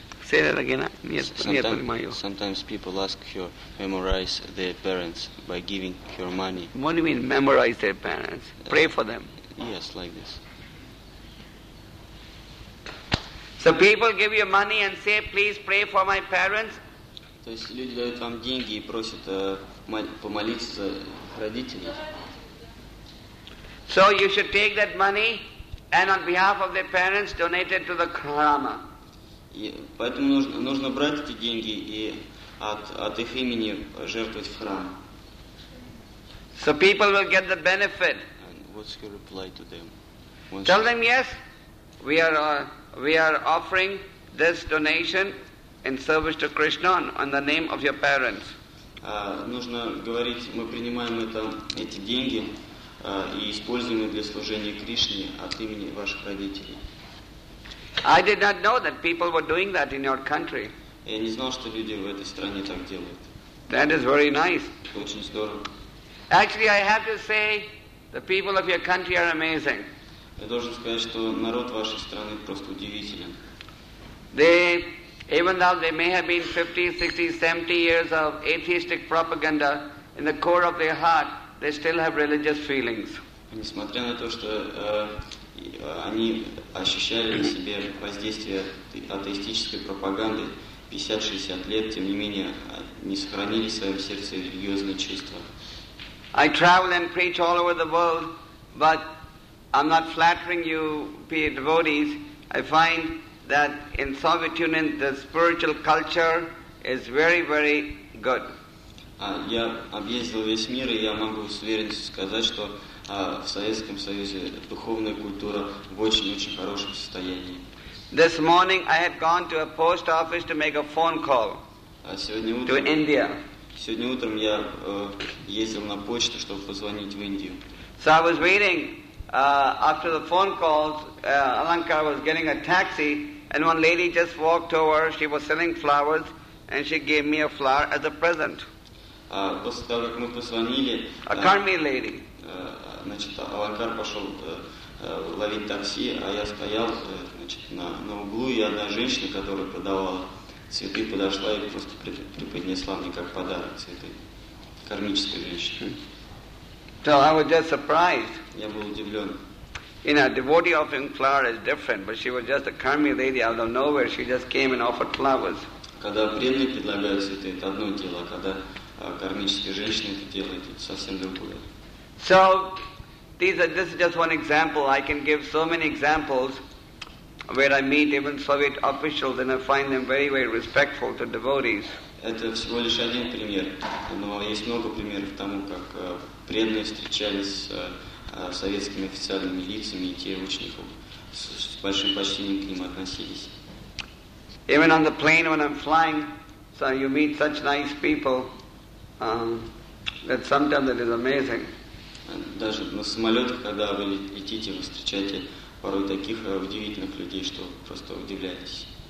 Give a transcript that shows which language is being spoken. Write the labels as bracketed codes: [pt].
[en] Say that again. Sometimes people ask her to memorize their parents by giving her money. What do you mean, memorize their parents? Pray for them? Yes, like this. So people give you money and say, please pray for my parents. [ru] То есть люди дают вам деньги и просят помолиться родителям. [en] So you should take that money and on behalf of their parents donate it to the Krama. [ru] Поэтому нужно брать эти деньги и от их имени жертвовать в храм. [en] So people will get the benefit. And what's your reply to them? Tell them yes, we are offering this donation in service to Krishna on the name of your parents. [ru] Нужно говорить, мы принимаем эти деньги и используем их для служения Кришне от имени ваших родителей. [en] I did not know that people were doing that in your country. [ru] Я не знал, что люди в этой стране так делают. [en] That is very nice. [ru] Очень здорово. [en] Actually, I have to say, the people of your country are amazing. [ru] Я должен сказать, что народ вашей страны просто удивителен. [en] They, even though they may have been 50, 60, 70 years of atheistic propaganda, in the core of their heart, they still have religious feelings. [ru] Несмотря на то, что они ощущали на себе воздействие атеистической пропаганды 50-60 лет, тем не менее, не сохранили в своем сердце религиозные чувства. [en] I travel and preach all over the world, but I'm not flattering you, be it devotees. I find that in Soviet Union, the spiritual culture is very, very good. [ru] Я объездил весь мир, и я могу с уверенностью сказать, что в Советском Союзе духовная культура в очень-очень хорошем состоянии. [en] This morning I had gone to a post office to make a phone call to India. [ru] Сегодня утром я ездил на почту, чтобы позвонить в Индию. [en] So I was waiting after the phone calls. Alankar was getting a taxi, and one lady just walked over. She was selling flowers, and she gave me a flower as a present. [ru] После того, как мы позвонили, [en] a Karmi lady. [ru] Значит, Алангар пошел ловить такси, а я стоял на углу, и одна женщина, которая продавала цветы, подошла и просто преподнесла мне как подарок цветы. Кармическая женщина. [en] So I was just surprised. [ru] Я был удивлен. [en] You know, devotee offering flowers is different, but she was just a Karmi lady out of nowhere. She just came and offered flowers. [ru] Когда преданные предлагают цветы, это одно дело, а когда кармическая женщина это делает, это совсем другое. [en] So, this is just one example. I can give so many examples where I meet even Soviet officials and I find them very, very respectful to devotees. [ru] Это всего лишь один пример, но есть много примеров тому, как преданные встречались с советскими официальными лицами и те очень с большим почтением к ним относились. [en] Even on the plane when I'm flying, so you meet such nice people that sometimes it is amazing. [ru] Даже на самолетах, когда вы летите, вы встречаете порой таких удивительных людей, что просто удивляетесь.